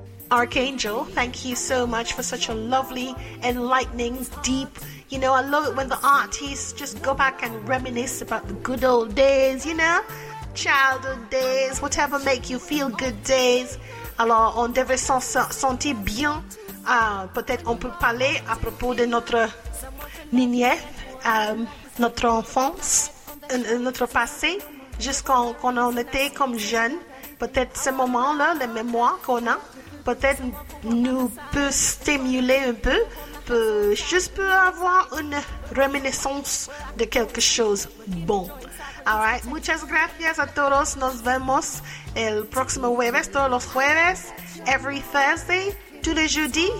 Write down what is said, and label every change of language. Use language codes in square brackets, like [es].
[en] Arkaingelle, thank you so much for such a lovely, enlightening, deep. You know, I love it when the artists just go back and reminisce about the good old days, you know, childhood days, whatever make you feel good days. [fr] Alors, on devrait s'en sentir bien. Peut-être on peut parler à propos de notre niñez, notre enfance, notre passé, jusqu'en qu'on en était comme jeune. Peut-être ce moment-là, les mémoires qu'on a, peut-être nous peut stimuler un peu. Juste pour avoir une reminiscence de quelque chose bon. [en] All right, [es] muchas gracias a todos. Nos vemos el próximo jueves, todos los jueves, [en] every Thursday, [fr] tous les jeudis.